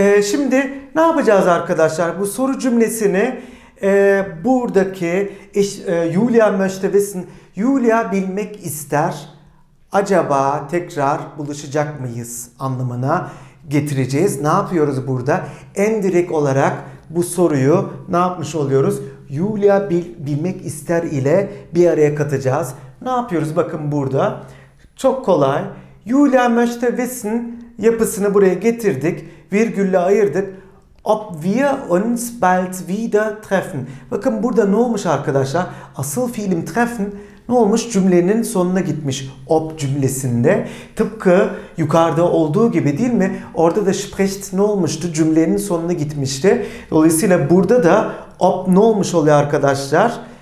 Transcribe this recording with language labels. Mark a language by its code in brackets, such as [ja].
[tr] Şimdi ne yapacağız arkadaşlar? Bu soru cümlesini buradaki [de] Julia möchte wissen, [tr] Julia bilmek ister, acaba tekrar buluşacak mıyız anlamına getireceğiz. Ne yapıyoruz burada? En direkt olarak bu soruyu ne yapmış oluyoruz? Julia bilmek ister ile bir araya katacağız. Ne yapıyoruz bakın burada? Çok kolay. [de] Julia möchte wissen [tr] yapısını buraya getirdik. Virgülle ayırdık. [de] Ob wir uns bald wieder treffen. [tr] Bakın burada ne olmuş arkadaşlar? Asıl fiilim treffen ne olmuş? Cümlenin sonuna gitmiş. Ob cümlesinde. Tıpkı yukarıda olduğu gibi değil mi? Orada da spricht ne olmuştu? Cümlenin sonuna gitmişti. Dolayısıyla burada da ob ne olmuş oluyor arkadaşlar?